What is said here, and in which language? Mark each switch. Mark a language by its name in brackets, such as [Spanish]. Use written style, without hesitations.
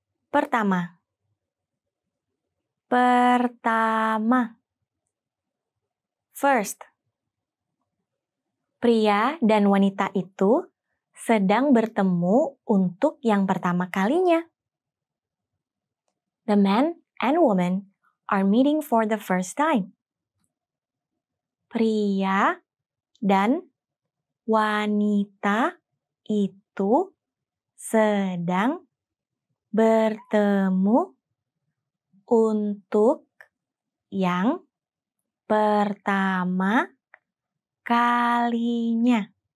[Indonesian] Pertama. Pertama. [English] First. [Indonesian] Pria dan wanita itu sedang bertemu untuk yang pertama kalinya. [English] The man and woman are meeting for the first time. [Indonesian] Pria dan wanita itu sedang bertemu untuk yang pertama kalinya.